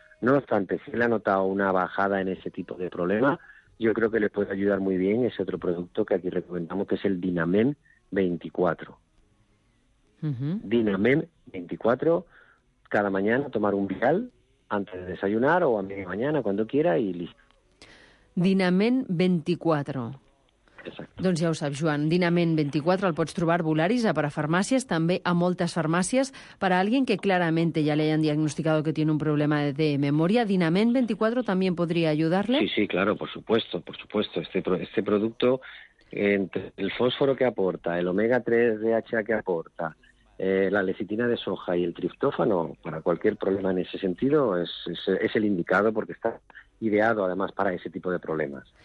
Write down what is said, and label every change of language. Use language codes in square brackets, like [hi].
[es] No obstante, si él ha notado una bajada en ese tipo de problema, yo creo que le puede ayudar muy bien ese otro producto que aquí recomendamos, que es el Dinamen 24. Uh-huh. Dinamen 24, cada mañana tomar un vial antes de desayunar o a media mañana, cuando quiera, y listo. Dinamen 24. [ca] Exacte. Doncs ja ho saps, Joan. Dinament 24 el pots trobar a Volaris, a parafarmàcies, també a moltes farmàcies. Per a algú que clarament ja li han diagnosticat que té un problema de memòria, Dinament 24 també podria ajudar-li? [es] Sí, sí, claro, por supuesto, por supuesto. Este producto, entre el fósforo que aporta, el omega 3 DHA que aporta, la lecitina de soja y el triptófano, para cualquier problema en ese sentido, es el indicado porque está ideado además para ese tipo de problemas.